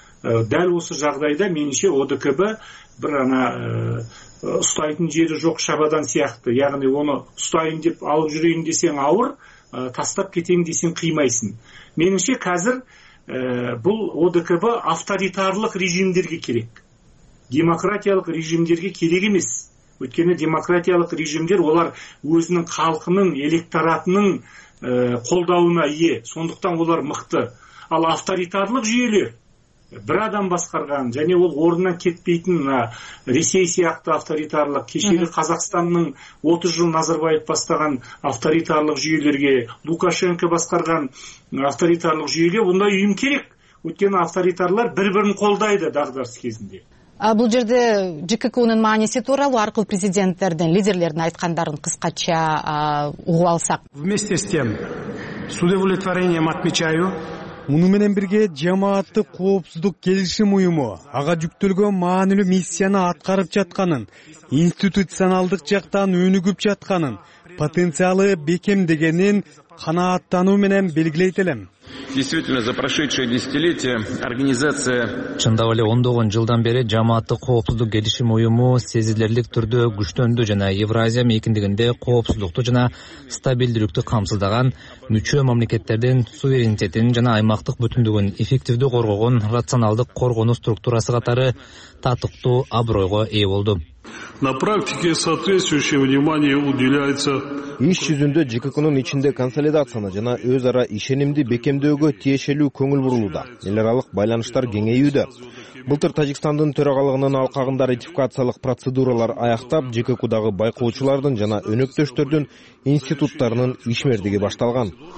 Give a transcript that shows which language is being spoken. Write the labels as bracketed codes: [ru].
[kk] Дәл осы жағдайда меніңше ОДКБ бір ана ұстайтын жері жоқ шабадан сияқты. Яғни оны ұстайын деп алып жүрейін десең ауыр, тастап кетейін десең қимайсың. Меніңше қазір бұл ОДКБ авторитарлық режимдерге керек. [ky] Демократиялык режимдерге керек эмес. Өткөнү демократиялык режимдер олар өзүнүн халкынын электоратынын колдоуна ээ. Сондуктан олар мыкты. Ал авторитарлык жүйөлөр бир адам башкарган жана ал ордунан кетпейтин Ресей сыяктуу авторитарлык, кечээ Казакстандын 30 жыл Назарбаев баштаган авторитарлык жүйөлөргө, Лукашенко башкарган авторитарлык жүйөгө мындай уюм керек. Өткөнү авторитарлар бири-бирин колдойду дагдарыш кезинде. Бул жерде ЖККнын мааниси тууралуу аркылуу президенттердин лидерлердин айткандарын кыскача угуп алсак. [ru] Вместе с тем, с удовлетворением отмечаю. [ky] Муну менен бирге жамааттык коопсуздук келишим уюму ага жүктөлгөн маанилүү миссияны аткарып жатканын, институционалдык жактан өнүгүп жатканын, потенциалы бекемдегенин канааттануу менен белгилейт элем. [ru] Действительно, за прошедшие десятилетия организация... [ky] Чындап эле ондогон жылдан бери жамааттык коопсуздук келишим уюму сезилерлик түрдө күчтөндү жана Евразия мейкиндигинде коопсуздукту жана стабилдүүлүктү камсыздаган мүчө мамлекеттердин суверенитетин жана аймактык бүтүндүгүн эффективдүү коргогон рационалдык коргонуу структурасы катары татыктуу абройго ээ болду. [ru] На практике соответствующее внимание уделяется... [ky] Иш жүзүндө ЖККнын ичинде консолидацияны жана өз ара ишенимди бекемдөөгө тиешелүү көңүл бурулууда. Эл аралык байланыштар кеңейүүдө. Былтыр Тажикстандын төрагалыгынын алкагында ратификациялык процедуралар аяктап, ЖККдагы байкоочулардын жана өнөктөштөрдүн институттарынын ишмердиги башталган.